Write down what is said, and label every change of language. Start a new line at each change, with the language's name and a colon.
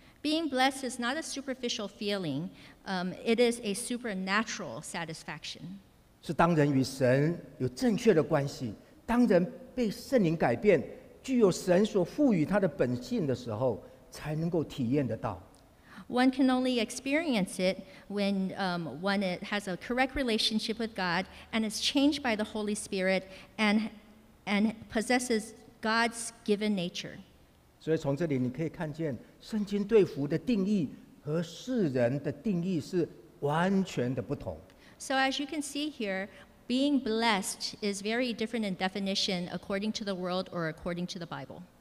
English: Being blessed is not a superficial feeling, it is a supernatural satisfaction.
Chinese: 是当人与神有正确的关系，当人被圣灵改变。具有神所赋予他的本性的时候，才能够体验得到。
English: One can only experience it when one has a correct relationship with God and is changed by the Holy Spirit and possesses God's given nature.
Chinese: 所以从这里你可以看见，圣经对福的定义和世人的定义是完全的不同。
English: So as you can see here, being blessed is very different in definition according to the world or according to the Bible.